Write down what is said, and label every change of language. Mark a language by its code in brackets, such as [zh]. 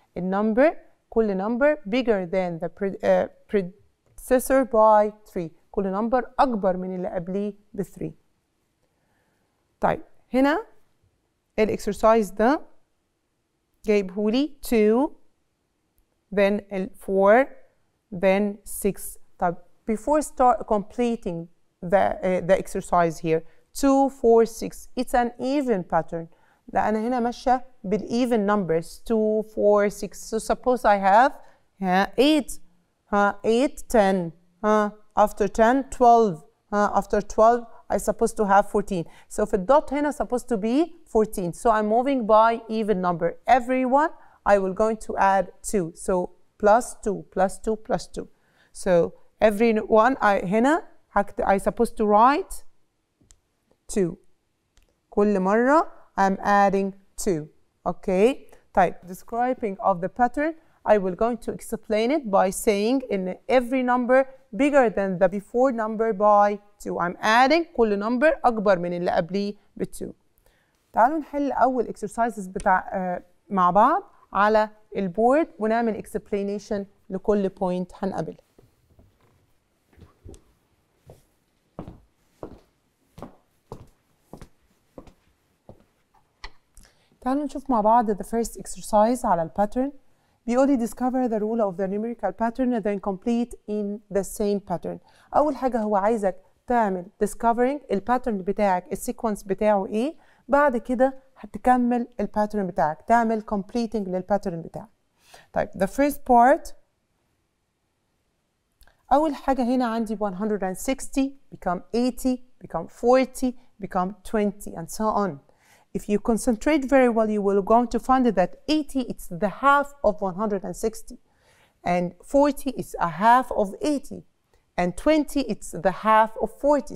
[en] ال number كل number bigger than the predecessor by 3. [ar] كل number أكبر من اللي قبليه ب 3. طيب هنا ال exercise ده جايبهولي [en] 2 then 4 then 6. طب before start completing the exercise here 2 4 6، it's an even pattern. [ar] لا انا هنا ماشيه بال [en] even numbers 2 4 6، so suppose I have 8 10، after 10 12، after 12 I supposed to have 14. So [ar] في الدوت هنا [en] supposed to be 14، so I'm moving by even number everyone I will going to add 2، so plus 2 plus 2 plus 2. So every one I [ar] هنا [en] I supposed to write 2. [ar] كل مرة [en] I'm adding 2. Okay. طيب describing of the pattern I will going to explain it by saying in every number bigger than the before number by 2. I'm adding [ar] كل number أكبر من اللي قبليه ب 2. تعالوا نحل أول exercises بتاع مع بعض على البورد ونعمل [en] explanation لكل point [ar] هنقابل. تعالوا نشوف مع بعض [en] the first exercise [ar] على الباترن. [en] بيقول لي discover the rule of the numerical pattern and then complete in the same pattern. [ar] أول حاجة هو عايزك تعمل [en] discovering [ar] الباترن بتاعك السيكونس بتاعه إيه، بعد كده هتكمل الباترن بتاعك، تعمل completing للباترن بتاعك. طيب [en] the first part، [ar] أول حاجة هنا عندي [en] 160 become 80 become 40 become 20 and so on. If you concentrate very well, you will going to find that 80 is the half of 160, and 40 is a half of 80, and 20 is the half of 40.